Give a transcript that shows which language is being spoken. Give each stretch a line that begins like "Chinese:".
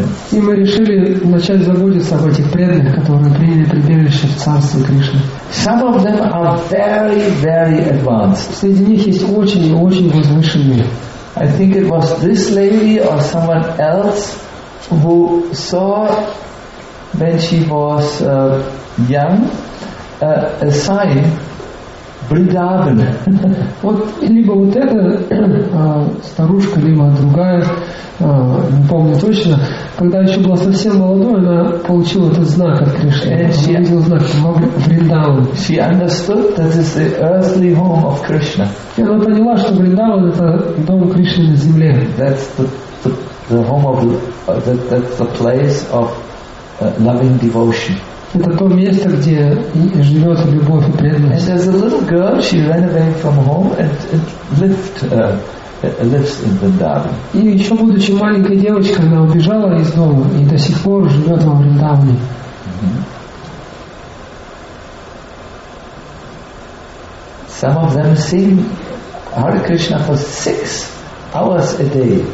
Russian: И мы решили начать заботиться об этих преданных, которые приняли прибежище в царстве Кришны.
English: Some of them are very, very advanced.
Russian: Среди них есть очень и очень возвышенные.
English: I think it was this lady or someone else who saw when she was young a sign. Vrindavan.
Russian: Вот либо вот эта старушка, либо другая, не помню точно, когда еще была совсем молодой, она получила этот знак от Кришны.
English: She
Russian: увидела знак Vrindavan.
English: She understood that this is the earthly home of Krishna.
Russian: И она поняла, что Vrindavan — это дом Кришны на земле.
English: That's the home of that's the place of loving devotion.
Russian: Это то место, где живет любовь и преданность.
English: And there's a little girl, she ran away from home and lives in Vrindavan.
Russian: И еще будучи маленькой девочкой, она убежала из дома и до сих пор живет во Вриндаване.
English: Some of them sing Hare Krishna for 6 hours a day.